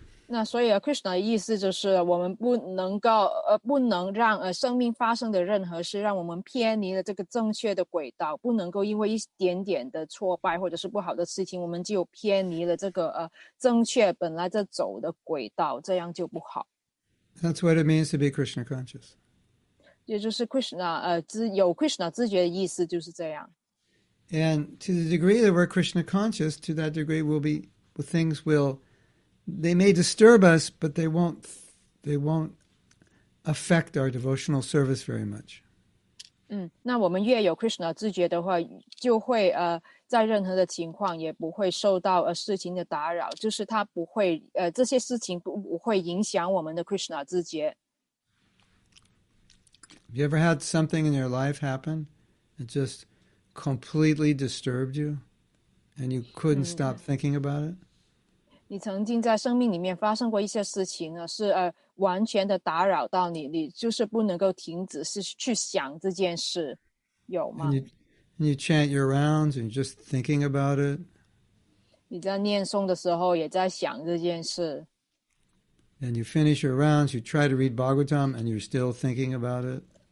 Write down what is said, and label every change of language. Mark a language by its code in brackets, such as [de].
[zh] 那所以Krishna的意思就是我们不能够不能让生命发生的任何事让我们偏离了这个正确的轨道，不能够因为一点点的挫败或者是不好的事情我们就偏离了这个正确本来在走的轨道，这样就不好。 [en] That's what it means to be Krishna conscious. [zh] 也就是 Krishna 有 Krishna 自觉的意思就是这样。 [en] And to the degree that we're Krishna conscious, to that degree will be things willThey may disturb us, but they won't affect our devotional service very much. [zh] 那我们越有 Krishna 自觉的话，就会在任何的情况也不会受到事情的打扰，就是它不会这些事情不会影响我们的 Krishna 自觉。 [en] Have you ever had something in your life happen that just completely disturbed you, and you couldn't stop thinking about it? [zh] 你曾经在生命里面发生过一些事情呢，是完全的打扰到你，你就是不能够停止是去想这件事，有吗 [en] and you chant your rounds and just thinking about it. [zh] 你在念诵的时候也在想这件事。 [en] And you finish your rounds, you try to read Bhagavatam and you're still thinking about it.